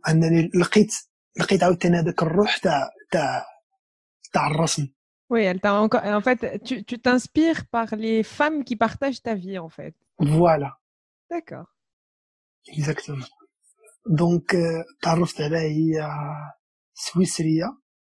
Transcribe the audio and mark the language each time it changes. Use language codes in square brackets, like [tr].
[ar] انني لقيت عاوتاني هذاك الروح تاع الرسم. [fr] وي انت en fait tu t'inspires par les femmes qui partagent ta vie en fait. Voilà. D'accord. Exactement. [ar] دونك تعرفت على هي سويسرية.